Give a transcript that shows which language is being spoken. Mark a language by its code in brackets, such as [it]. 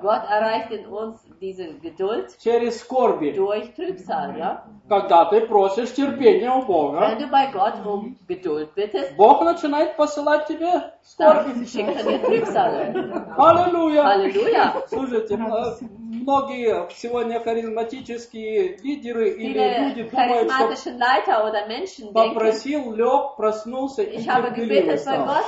[de] Gott erreicht in uns diese Geduld. [ru] Через скорби. [de] Durch Trübsal, ja? [ru] Когда ты просишь терпения у Бога, [de] wenn du bei Gott um Geduld bittest, [ru] Бог начинает посылать тебе скорби. [de] Dann schickt er dir Trübsale. Halleluja. Halleluja. [ru] Слушайте, многие сегодня харизматические лидеры или люди думают, что попросил, лег, проснулся и терпеливый стал.